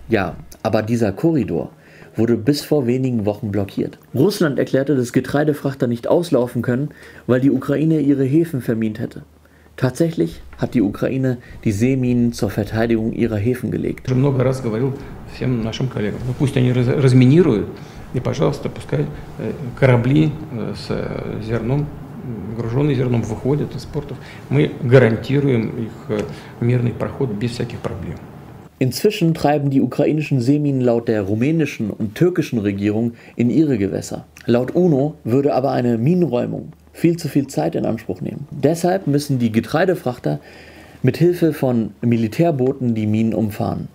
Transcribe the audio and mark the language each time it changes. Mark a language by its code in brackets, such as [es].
[de] Ja, aber dieser Korridor wurde bis vor wenigen Wochen blockiert. Russland erklärte, dass Getreidefrachter nicht auslaufen können, weil die Ukraine ihre Häfen vermint hätte. Tatsächlich hat die Ukraine die Seeminen zur Verteidigung ihrer Häfen gelegt. Ich habe schon viele Mal gesagt, allen unseren Kollegen, dass sie [ru] разминируют. И, пожалуйста, пускай корабли с зерном, груженные зерном, выходят из портов. Мы гарантируем их мирный проход без всяких проблем. [de] Inzwischen treiben die ukrainischen Seeminen laut der rumänischen und türkischen Regierung in ihre Gewässer. Laut UNO würde aber eine Minenräumung viel zu viel Zeit in Anspruch nehmen. Deshalb müssen die Getreidefrachter mit Hilfe von Militärbooten die Minen umfahren.